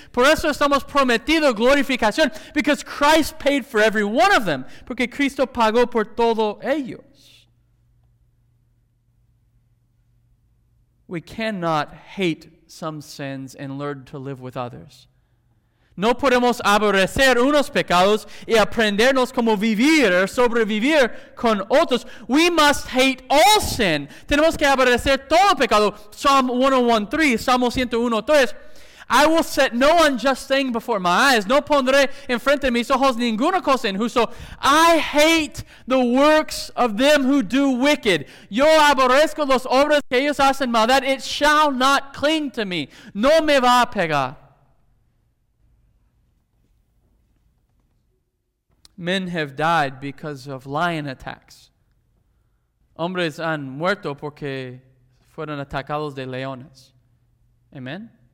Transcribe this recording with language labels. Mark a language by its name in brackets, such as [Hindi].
[Spanish] Por eso estamos prometidos glorificación. [English] Because Christ paid for every one of them. [Spanish] Porque Cristo pagó por todos ellos. [English] We cannot hate some sins and learn to live with others. [Spanish] No podemos aborrecer unos pecados y aprendernos cómo vivir o sobrevivir con otros. [English] We must hate all sin. [Spanish] Tenemos que aborrecer todo pecado. [English] Psalm 101:3. I will set no unjust thing before my eyes. [Spanish] No pondré enfrente de mis ojos ninguna cosa injusta. [English] I hate the works of them who do wicked. [Spanish] Yo aborrezco las obras que ellos hacen maldad. [English] It shall not cling to me. [Spanish] No me va a pegar. [English] Men have died because of lion attacks. [Spanish] Hombres han muerto porque fueron atacados de leones. Amen?